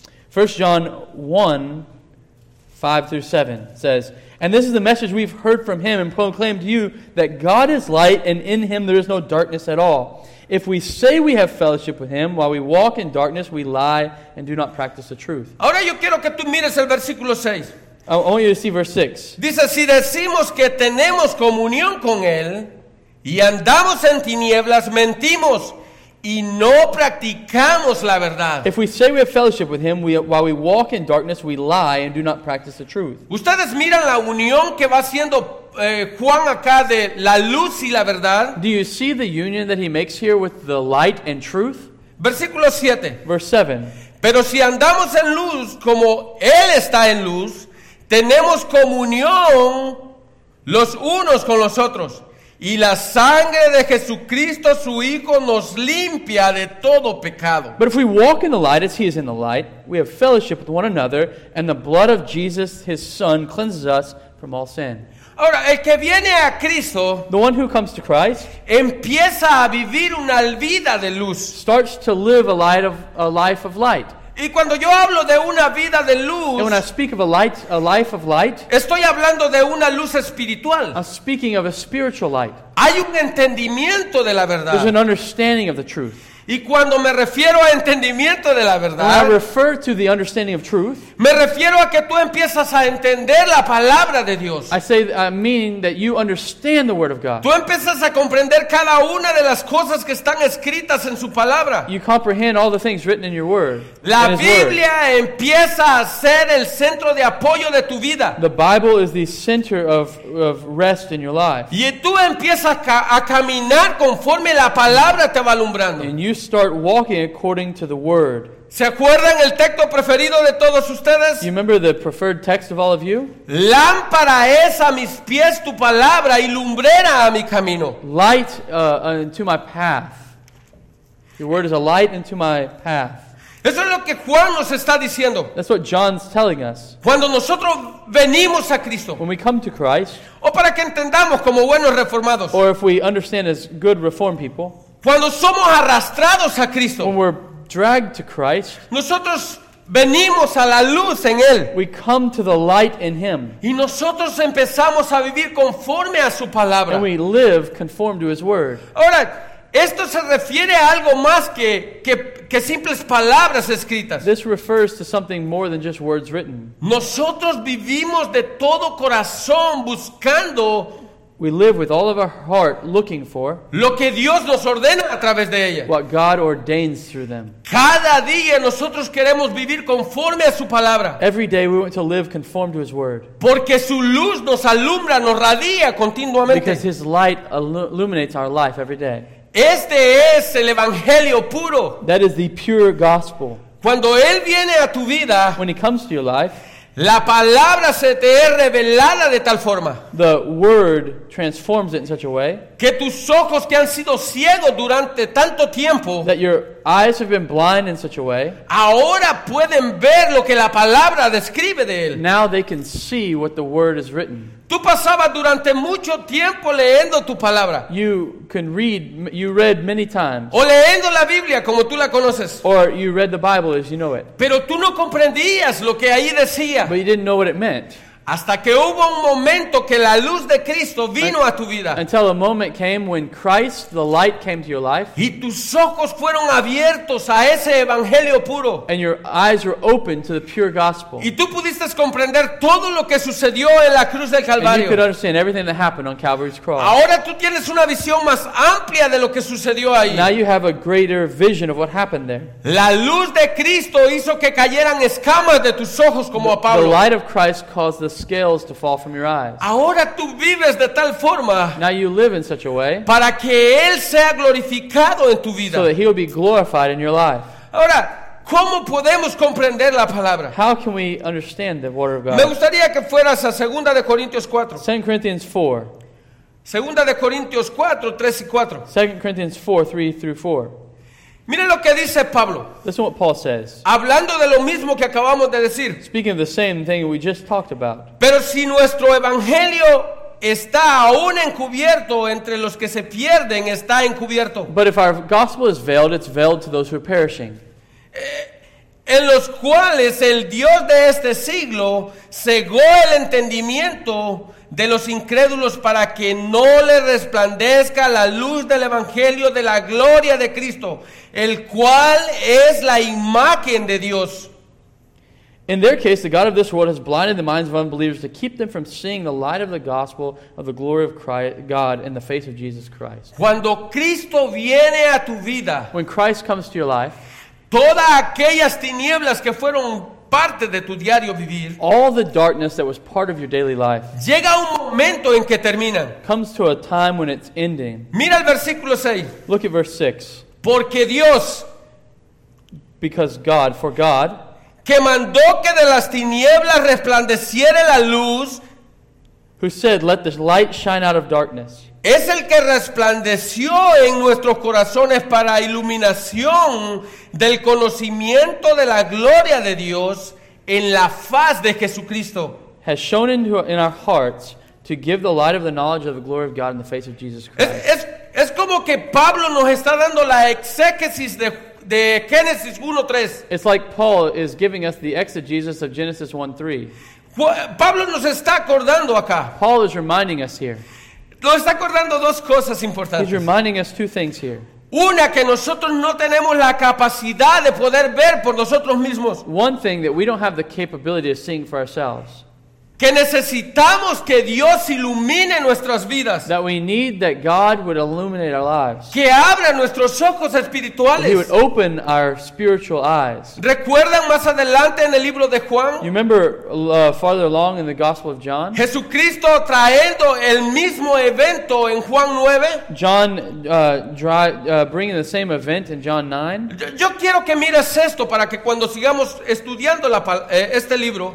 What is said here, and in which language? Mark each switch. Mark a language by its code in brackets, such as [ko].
[en] First John 1, 5 through 7 says, and this is the message we've heard from him and proclaimed to you, that God is light and in him there is no darkness at all. If we say we have fellowship with him while we walk in darkness, we lie and do not practice the truth. [es] Ahora yo quiero que tú mires el versículo 6. [en] I want you to see verse 6. [es] Dice, si decimos que tenemos comunión con él y andamos en tinieblas, mentimos. Y no practicamos la verdad. [en] If we say we have fellowship with him, while we walk in darkness, we lie and do not practice the truth. [es] ¿Ustedes miran la unión que va haciendo Juan acá de la luz y la verdad? [en] Do you see the union that he makes here with the light and truth? [es] Versículo 7. [en] Verse 7. [es] Pero si andamos en luz como él está en luz, tenemos comunión los unos con los otros. Y la sangre de Jesucristo, su Hijo, nos limpia de todo pecado. [en] But if we walk in the light as he is in the light, we have fellowship with one another, and the blood of Jesus, his Son, cleanses us from all sin. [es] Ahora, el que viene a Cristo, [en] the one who comes to Christ, [es] empieza a vivir una vida de luz. [en] Starts to live a life of light. [es] Y cuando yo hablo de una vida de luz, [en] and when I speak of a light, a life of light, [es] estoy hablando de una luz espiritual. [en] I'm speaking of a spiritual light. [es] Hay un entendimiento de la verdad. [en] There's an understanding of the truth. [es] Y cuando me refiero a entendimiento de la verdad, [en] I refer to the understanding of truth, [es] me refiero a que tú empiezas a entender la palabra de Dios. [en] I mean that you understand the word of God. [es] Tú empiezas a comprender cada una de las cosas que están escritas en su palabra. [en] You comprehend all the things written in your word. [es] La Biblia empieza a ser el centro de apoyo de tu vida. [en] The Bible is the center of rest in your life. [es] Y tú empiezas a caminar conforme la palabra te va alumbrando. [en] You start walking according to the word. [es] ¿Se acuerdan el texto preferido de todos ustedes? [en] You remember the preferred text of all of you? [es] Lámpara es a mis pies tu palabra y lumbrera a mi camino. [en] Light unto my path. Your word is a light unto my path. [es] Eso es lo que Juan nos está diciendo. [en] That's what John's telling us. [es] Cuando nosotros venimos a Cristo. [en] When we come to Christ. [es] O para que entendamos como buenos reformados. [en] Or if we understand as good reformed people. [es] Cuando somos arrastrados a Cristo, [en] when we're dragged to Christ, [es] nosotros venimos a la luz en Él. [en] We come to the light in Him. [es] Y nosotros empezamos a vivir conforme a su palabra. [en] And we live conform to His word. [es] Ahora, esto se refiere a algo más que simples palabras escritas. [en] This refers to something more than just words written. [es] Nosotros vivimos de todo corazón buscando. [en] We live with all of our heart looking for [es] lo que Dios nos ordena a través de ella. [en] What God ordains through them. [es] Cada día nosotros queremos vivir conforme a su palabra. [en] Every day we want to live conform to his word. [es] Porque su luz nos alumbra, nos radia continuamente. [en] Because his light illuminates our life every day. [es] Este es el evangelio puro. [en] That is the pure gospel. [es] Cuando él viene a tu vida, [en] when he comes to your life, [es] la palabra se te es revelada de tal forma. [en] The word transforms it in such a way. [es] Que tus ojos que han sido ciegos durante tanto tiempo. [en] That your eyes have been blind in such a way. [es] Ahora pueden ver lo que la palabra describe de él. [en] Now they can see what the word is written. [es] Tú pasabas durante mucho tiempo leyendo tu palabra. [en] You can read, you read many times. [es] O leyendo la Biblia como tú la conoces. [en] Or you read the Bible as you know it. [es] Pero tú no comprendías lo que ahí decía. [en] But you didn't know what it meant. [es] Hasta que hubo un momento que la luz de Cristo vino a tu vida. [en] Until a moment came when Christ, the light, came to your life. [es] Y tus ojos fueron abiertos a ese evangelio puro. [en] And your eyes were open to the pure gospel. [es] Y tú pudiste comprender todo lo que sucedió en la cruz del Calvario. [en] And you could understand everything that happened on Calvary's cross. [es] Ahora tú tienes una visión más amplia de lo que sucedió ahí. [en] Now you have a greater vision of what happened there. [es] La luz de Cristo hizo que cayeran escamas de tus ojos como a Pablo. [en] The light of Christ caused the scales to fall from your eyes. [es] Ahora tú vives de tal forma. [en] Now you live in such a way. [es] Para que él sea glorificado en tu vida. [en] So that he'll be glorified in your life. [es] Ahora, ¿cómo podemos comprender la palabra? [en] How can we understand the word of God? [es] Me gustaría que fueras a 2 de Corintios 4. [en] 2 Corinthians 4. [es] 2 de Corintios 4, 3 y 4. [en] 2 Corinthians 4, 3 through 4. [es] Miren lo que dice Pablo. [en] Listen what Paul says. [es] Hablando de lo mismo que acabamos de decir. [en] Speaking of the same thing we just talked about. [es] Pero si nuestro evangelio está aún encubierto entre los que se pierden, está encubierto. [en] But if our gospel is veiled, it's veiled to those who are perishing. [es] En los cuales el Dios de este siglo cegó el entendimiento de los incrédulos para que no le resplandezca la luz del evangelio de la gloria de Cristo, el cual es la imagen de Dios. [en] In their case, the God of this world has blinded the minds of unbelievers to keep them from seeing the light of the gospel of the glory of Christ, God in the face of Jesus Christ. [es] Cuando Cristo viene a tu vida, [en] when Christ comes to your life, [es] todas aquellas tinieblas que fueron parte de tu diario vivir, [en] all the darkness that was part of your daily life, [es] llega un momento en que termina. [en] Comes to a time when it's ending. [es] Mira el versículo 6. [en] Look at verse 6. [es] Porque Dios, [en] because God, for God, [es] que mandó que de las tinieblas resplandeciera la luz, [en] who said, let this light shine out of darkness, [es] es el que resplandeció en nuestros corazones para iluminación del conocimiento de la gloria de Dios en la faz de Jesucristo. [en] Has shone in our hearts to give the light of the knowledge of the glory of God in the face of Jesus Christ. [es] Es como que Pablo nos está dando la exégesis de Génesis 1:3. [en] It's like Paul is giving us the exegesis of Genesis 1:3. [es] Pablo nos está acordando acá. [en] Paul is reminding us here. [es] Nos está acordando dos cosas importantes. [en] He's reminding us two things here. [es] Una, que nosotros no tenemos la capacidad de poder ver por nosotros mismos. [en] One thing, that we don't have the capability of seeing for ourselves. [es] Que necesitamos que Dios ilumine nuestras vidas. [en] That we need that God would illuminate our lives. [es] Que abra nuestros ojos espirituales. [en] He would open our spiritual eyes. [es] ¿Recuerdan más adelante en el libro de Juan? [en] You remember farther along in the Gospel of John? [es] Jesucristo trayendo el mismo evento en Juan 9. [en] John bringing the same event in John 9. [es] Yo quiero que mires esto para que cuando sigamos estudiando este libro.